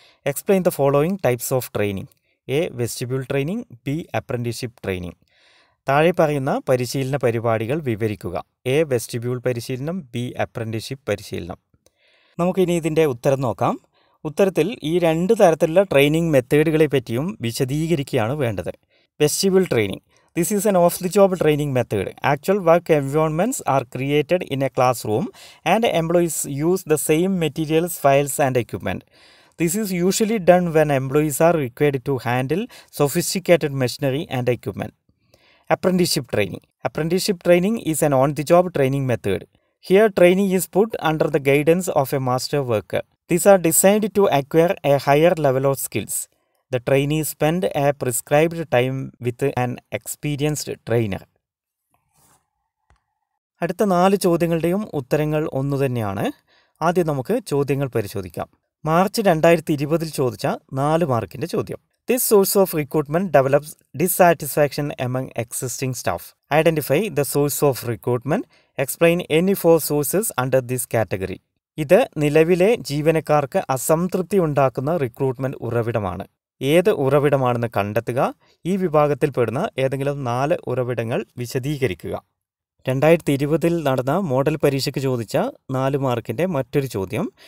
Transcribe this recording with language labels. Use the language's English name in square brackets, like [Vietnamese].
[English] Explain the following types of training. A vestibule training, B apprenticeship training. [Malayalam] താഴെ പറയുന്ന പരിശീലന പരിപാടികൾ വിവരിക്കുക. എ വെസ്റ്റിബ്യൂൾ പരിശീലനം, ബി അപ്രന്റീസ്ഷിപ്പ് പരിശീലനം. നമുക്കിനി ഇതിൻ്റെ ഉത്തരം നോക്കാം. ഉത്തരത്തിൽ ഈ 2 തരത്തിലുള്ള ട്രെയിനിങ് മെത്തേഡുകളെ പറ്റിയും വിശദീകരിക്കുകയാണ് വേണ്ടത്. Vestibule training. [English] This is an off-the-job training method. Actual work environments are created in a classroom and employees use the same materials, files and equipment. This is usually done when employees are required to handle sophisticated machinery and equipment. Apprenticeship training. Apprenticeship training is an on-the-job training method. Here, training is put under the guidance of a master worker. These are designed to acquire a higher level of skills. The trainee spend a prescribed time with an experienced trainer. [Malayalam] അടുത്ത 4 ചോദ്യങ്ങളുടെയും ഉത്തരങ്ങൾ ഒന്നു തന്നെയാണ്. ആദ്യം നമുക്ക് ചോദ്യങ്ങൾ പരിശോധിക്കാം. March 2020 ചോദിച്ച 4 മാർക്കിൻ്റെ ചോദ്യം. [English] This source of recruitment develops dissatisfaction among existing staff. Identify the source of recruitment. Explain any 4 sources under this category. [Malayalam] ഇത് നിലവിലെ ജീവനക്കാർക്ക് അസംതൃപ്തി ഉണ്ടാക്കുന്ന റിക്രൂട്ട്മെൻറ്റ് ഉറവിടമാണ്. ഏത് ഉറവിടമാണെന്ന് കണ്ടെത്തുക. ഈ വിഭാഗത്തിൽപ്പെടുന്ന ഏതെങ്കിലും 4 ഉറവിടങ്ങൾ വിശദീകരിക്കുക. 2020 നടന്ന മോഡൽ പരീക്ഷയ്ക്ക് ചോദിച്ച 4 മാർക്കിൻ്റെ മറ്റൊരു ചോദ്യം.